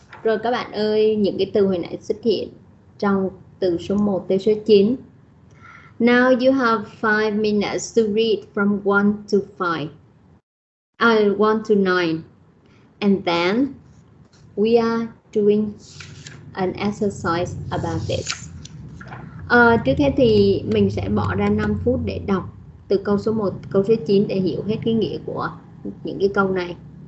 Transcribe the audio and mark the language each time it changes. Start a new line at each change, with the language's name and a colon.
Vietnamese: Rồi các bạn ơi, những cái từ hồi nãy xuất hiện trong từ số 1 tới số 9.
English: Now you have 5 minutes to read from 1 to 5. 1 to 9. And then we are doing an exercise about this.
Vietnamese: Trước hết thì mình sẽ bỏ ra 5 phút để đọc từ câu số 1, câu số 9 để hiểu hết cái nghĩa của những cái câu này.